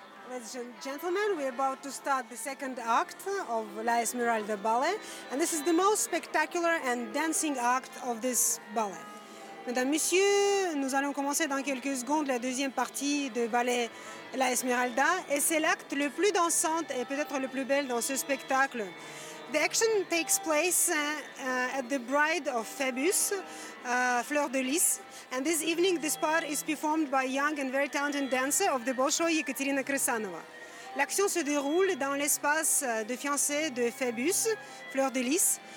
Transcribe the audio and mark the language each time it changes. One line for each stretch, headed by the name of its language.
English: Ladies and gentlemen, we're about to start the second act of La Esmeralda Ballet, and this is the most spectacular and dancing act of this ballet.
French: Mesdames, Messieurs, nous allons commencer dans quelques secondes la deuxième partie de ballet La Esmeralda, et c'est l'acte le plus dansant et peut-être le plus bel dans ce spectacle.
English: The action takes place at the Bride of Phoebus, Fleur de Lys. And this evening, this part is performed by young and very talented dancer of the Bolshoi, Екатерина Крысанова.
French: L'action se déroule dans l'espace de fiancée de Phoebus, Fleur de Lys.